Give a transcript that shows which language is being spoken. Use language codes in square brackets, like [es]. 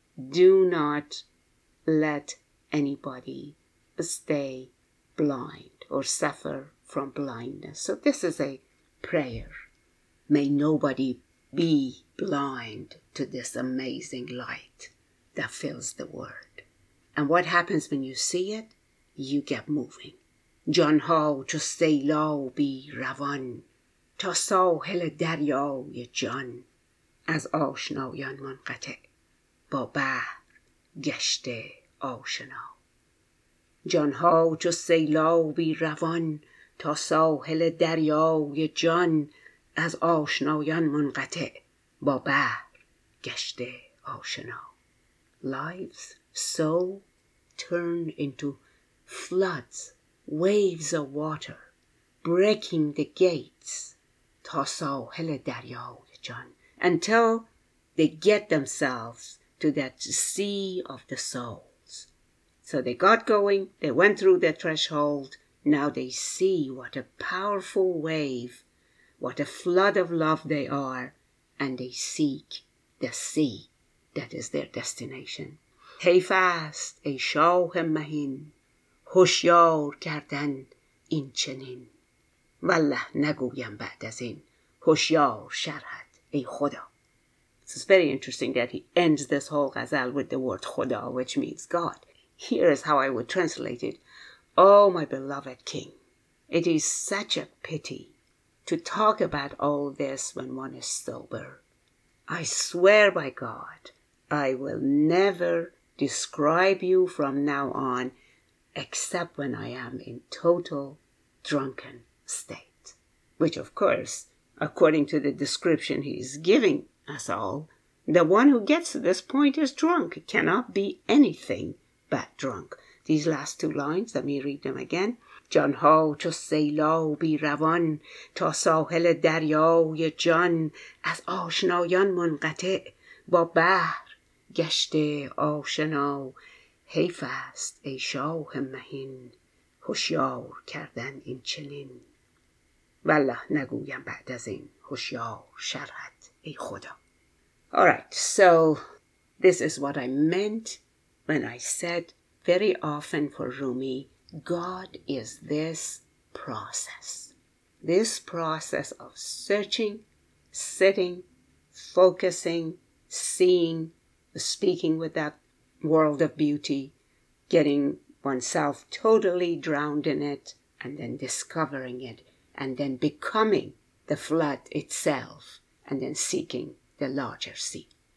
[en] Do not let anybody stay blind or suffer from blindness. So this is a prayer. May nobody be blind to this amazing light that fills the world. And what happens when you see it? You get moving. [fa] جان ها چو سیلابی روان تا ساحل دریای جان از آشنایان منقطع با بحر گشته آشنا. جان ها چو سیلابی روان تا ساحل دریای جان از آشنایان منقطع با بحر گشته آشنا. [en] Lives so turn into floods, waves of water, breaking the gates, [fa] تا ساحل دریای جان, [en] until they get themselves to that sea of the souls. So they got going, they went through the threshold, now they see what a powerful wave, what a flood of love they are, and they seek the sea that is their destination. [fa] حیف است ای شاه مهین هوشیار کردن این چنین, والله نگویم بعد از این هوشیار شرحت ای خدا. [en] So it's very interesting that he ends this whole ghazal with the word khuda, which means God. Here is how I would translate it. Oh, my beloved king, it is such a pity to talk about all this when one is sober. I swear by God, I will never describe you from now on, except when I am in total drunken state. Which, of course, according to the description he's giving us all, the one who gets to this point is drunk. It cannot be anything but drunk. These last two lines, let me read them again. [fa] جان ها چو سیلابی روان تا ساحل دریای جان از آشنایان منقطع با بحر گشته آشنا. حیف است ای شاه مهین هوشیار کردن این چنین, والله نگویم بعد از این هوشیار شرحت ای خدا. [en] All right, so this is what I meant when I said very often for Rumi, God is this process. This process of searching, sitting, focusing, seeing, speaking with that world of beauty, getting oneself totally drowned in it, and then discovering it, and then becoming the flood itself, and then seeking the larger sea.